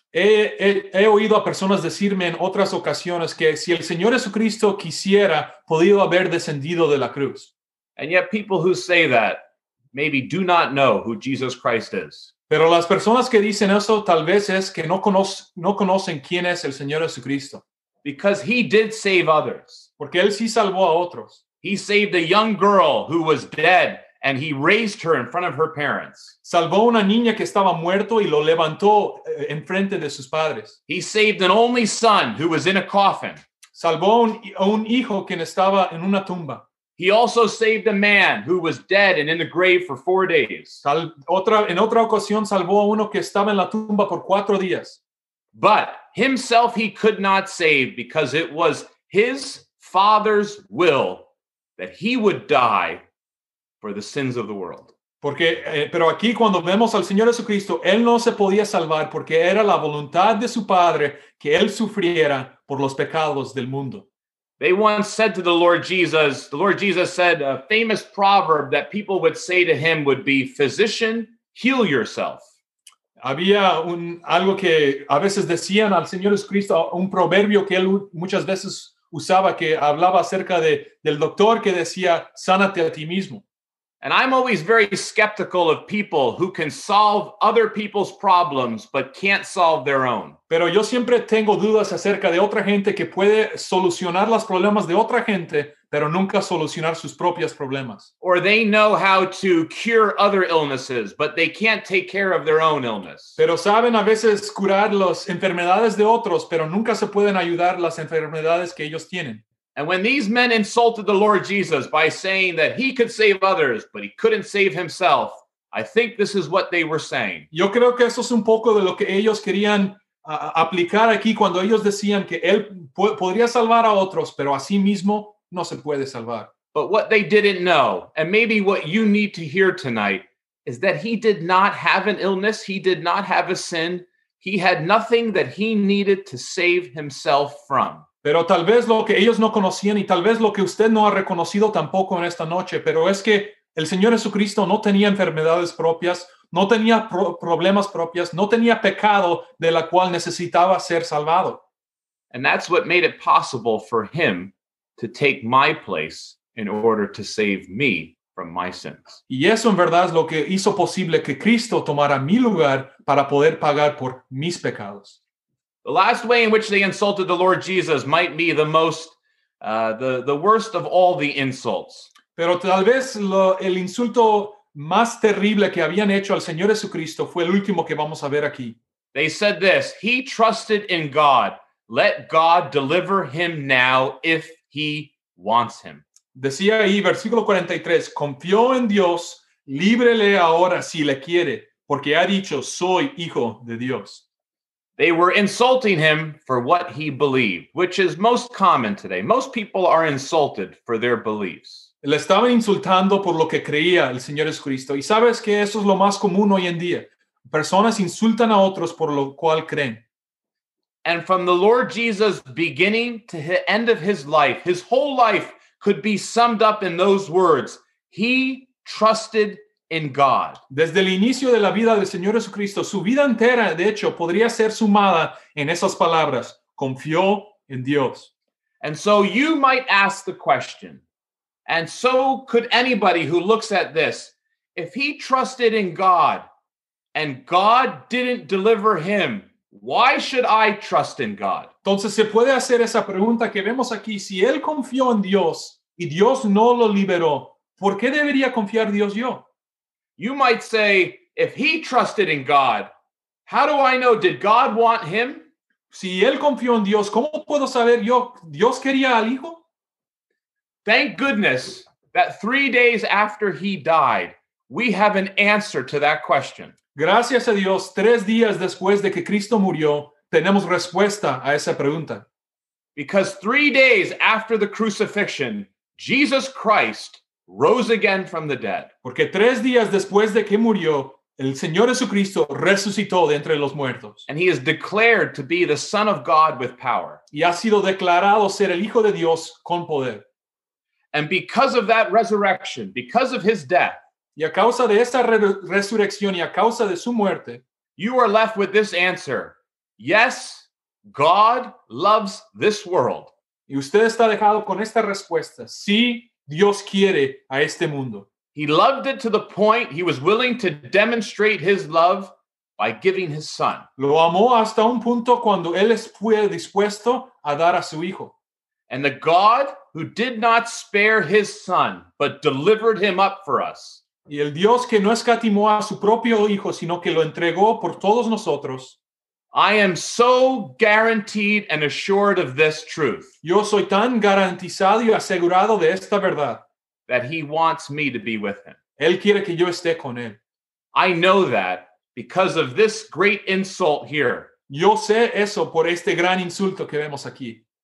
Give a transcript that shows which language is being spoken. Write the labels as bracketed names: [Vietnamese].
[Spanish] He oído a personas decirme en otras ocasiones que si el Señor Jesucristo quisiera, podía haber descendido de la cruz. [English] And yet people who say that maybe do not know who Jesus Christ is. [Spanish] Pero las personas que dicen eso tal vez es que no conocen quién es el Señor Jesucristo. [English] Because he did save others. [Spanish] Porque él sí salvó a otros. [English] He saved a young girl who was dead, and he raised her in front of her parents. [Spanish] Salvó una niña que estaba muerto y lo levantó en frente de sus padres. [English] He saved an only son who was in a coffin. [Spanish] Salvó un hijo quien estaba en una tumba. [English] He also saved a man who was dead and in the grave for 4 days. [Spanish] En otra ocasión salvó a uno que estaba en la tumba por 4 días. [English] But himself he could not save because it was his father's will that he would die for the sins of the world. [Spanish] Porque, pero aquí cuando vemos al Señor Jesucristo, él no se podía salvar porque era la voluntad de su padre que él sufriera por los pecados del mundo. [English] They once said to the Lord Jesus said a famous proverb that people would say to him would be, physician, heal yourself. [Spanish] Había algo que a veces decían al Señor Jesucristo, un proverbio que él muchas veces usaba que hablaba acerca del doctor que decía, sánate a ti mismo. [English] And I'm always very skeptical of people who can solve other people's problems but can't solve their own. [Spanish] Pero yo siempre tengo dudas acerca de otra gente que puede solucionar los problemas de otra gente, pero nunca solucionar sus propios problemas. [English] Or they know how to cure other illnesses, but they can't take care of their own illness. [Spanish] Pero saben a veces curar las enfermedades de otros, pero nunca se pueden ayudar las enfermedades que ellos tienen. [English] And when these men insulted the Lord Jesus by saying that he could save others, but he couldn't save himself, I think this is what they were saying. [Spanish] Yo creo que eso es un poco de lo que ellos querían aplicar aquí cuando ellos decían que él podría salvar a otros, pero a sí mismo no se puede salvar. [English] But what they didn't know, and maybe what you need to hear tonight, is that he did not have an illness, he did not have a sin, he had nothing that he needed to save himself from. [Spanish] Pero tal vez lo que ellos no conocían y tal vez lo que usted no ha reconocido tampoco en esta noche, pero es que el Señor Jesucristo no tenía enfermedades propias, no tenía problemas propias, no tenía pecado de la cual necesitaba ser salvado. [English] And that's what made it possible for him to take my place in order to save me from my sins. [Spanish] Y eso en verdad es lo que hizo posible que Cristo tomara mi lugar para poder pagar por mis pecados. [English] The last way in which they insulted the Lord Jesus might be the most, the worst of all the insults. [Spanish] Pero tal vez el insulto más terrible que habían hecho al Señor Jesucristo fue el último que vamos a ver aquí. [English] They said this, he trusted in God. Let God deliver him now if he wants him. [Spanish] Decía ahí, versículo 43, confió en Dios, líbrele ahora si le quiere, porque ha dicho, soy hijo de Dios. [English] They were insulting him for what he believed, which is most common today. Most people are insulted for their beliefs. [Spanish] Le estaban insultando por lo que creía el Señor Jesucristo. Y sabes que eso es lo más común hoy en día. Personas insultan a otros por lo cual creen. [English] And from the Lord Jesus beginning to the end of his life, his whole life could be summed up in those words. He trusted in God. [Spanish] Desde el inicio de la vida del Señor Jesucristo, su vida entera, de hecho, podría ser sumada en esas palabras. Confió en Dios. [English] And so you might ask the question, and so could anybody who looks at this, if he trusted in God and God didn't deliver him, why should I trust in God? [Spanish] Entonces se puede hacer esa pregunta que vemos aquí. Si él confió en Dios y Dios no lo liberó, ¿por qué debería confiar Dios yo? [English] You might say, if he trusted in God, how do I know? Did God want him? [Spanish] Si él confió en Dios, ¿cómo puedo saber yo? ¿Dios quería al hijo? [English] Thank goodness that 3 days after he died, we have an answer to that question. [Spanish] Gracias a Dios, 3 días después de que Cristo murió, tenemos respuesta a esa pregunta. [English] Because 3 days after the crucifixion, Jesus Christ rose again from the dead. [Spanish] Porque 3 días después de que murió, el Señor Jesucristo resucitó de entre los muertos. [English] And he is declared to be the Son of God with power. [Spanish] Y ha sido declarado ser el Hijo de Dios con poder. [English] And because of that resurrection, because of his death, [Spanish] y a causa de esa resurrección y a causa de su muerte, [English] you are left with this answer. Yes, God loves this world. [Spanish] Y usted está dejado con esta respuesta. Sí, Dios quiere a este mundo. [English] He loved it to the point he was willing to demonstrate his love by giving his son. [Spanish] Lo amó hasta un punto cuando él fue dispuesto a dar a su hijo. [English] And the God who did not spare his son, but delivered him up for us. [Spanish] Y el Dios que no escatimó a su propio hijo, sino que lo entregó por todos nosotros. [English] I am so guaranteed and assured of this truth. [Spanish] Yo soy tan garantizado y asegurado de esta verdad. [English] That he wants me to be with him. [Spanish] Él quiere que yo esté con él. [English] I know that because of this great insult here. [Spanish] Yo sé eso por este gran insulto que vemos aquí.